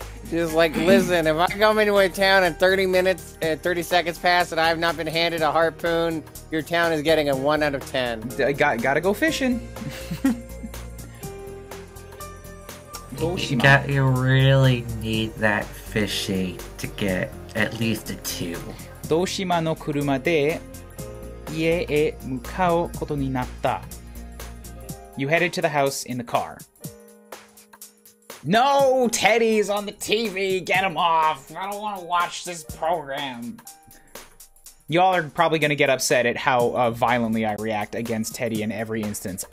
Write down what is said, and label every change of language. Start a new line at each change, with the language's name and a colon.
English: Just like, listen, if I come into a town and 30 minutes, 30 seconds pass and I have not been handed a harpoon, your town is getting a 1 out of 10. Gotta go fishing. You really need that fishy to get at least a 2.
Japanese: 道島の車で家へ向かうことになった。
English: You headed to the house in the car. No! Teddy's on the TV! Get him off! I don't want to watch this program! Y'all are probably going to get upset at how violently I react against Teddy in every instance.